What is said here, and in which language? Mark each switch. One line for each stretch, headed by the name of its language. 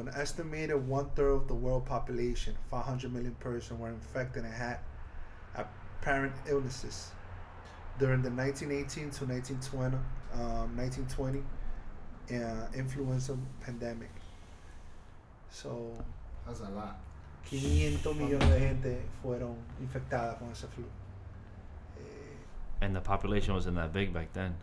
English: An estimated 1/3 of the world population, 500 million persons, were infected and had apparent illnesses during the 1918 to 1920 influenza pandemic. So that's a lot.
Spanish: 500 million de gente fueron infectadas con ese flu.
English: And the population wasn't that big back then.